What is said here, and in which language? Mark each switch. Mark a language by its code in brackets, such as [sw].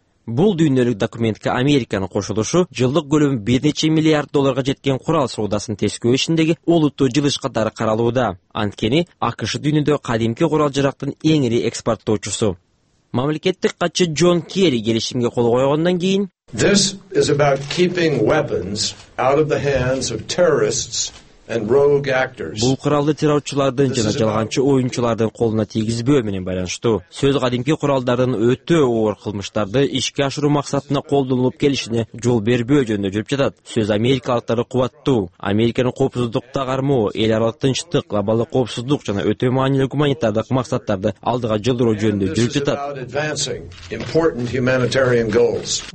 [ky] Бул дүйнөлүк документке Американын кошулушу жылдык көлөмү бир нече миллиард долларга жеткен курал соодасын тескөө ишиндеги олуттуу жылыш катары каралууда. Анткени АКШ дүйнөдө кадимки курал жарактын эң ири экспорттоочусу. Мамлекеттик катчы Джон Керри келишимге кол койгондон кийин [en] This is about keeping weapons out of the hands of terrorists and rogue actors. [ky] Бул куралды террорчулардын жана жалганчы оюнчулардын колуна тийгизбөө менен байланыштуу. Сөз кадимки куралдардын өтө оор кылмыштарды ишке ашыруу максатына колдонулуп келишине жол бербөө жөнүндө жүрүп жатат. Сөз америкалыктарды кубаттуу, Американын коопсуздукта кармоо, эл аралык тынчтык, глобалдык коопсуздук жана өтө маанилүү гуманитардык максаттарды алдыга жылдыруу жөнүндө жүрүп жатат.